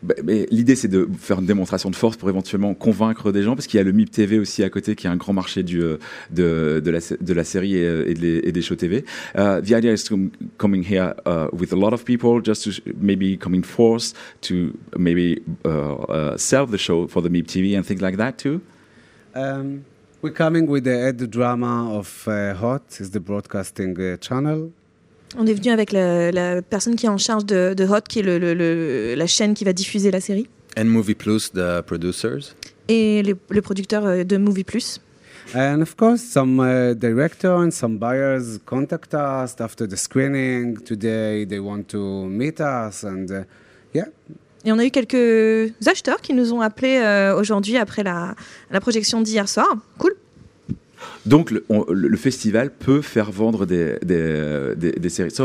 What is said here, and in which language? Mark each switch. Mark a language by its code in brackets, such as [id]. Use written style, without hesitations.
[fr] Mais l'idée, c'est de faire une démonstration de force pour éventuellement convaincre des gens, parce qu'il y a le MIP TV aussi à côté, qui est un grand marché de la série et des shows TV. [en] The idea is to coming here with a lot of people, just to maybe coming force to maybe sell the show for the MIP TV and things like that too. We're coming with the ad drama of Hot, is the broadcasting channel. [fr] On est venu avec la personne qui est en charge de Hot, qui est la chaîne qui va diffuser la série. [en] And Movie Plus, the producers. [fr] Et le producteur de Movie Plus. [en] And of course, some director and some buyers contact us after the screening today. They want to meet us and yeah. [fr] Et on a eu quelques acheteurs qui nous ont appelés aujourd'hui après la projection d'hier soir. [en] Cool. [fr] Donc le festival peut faire vendre des séries.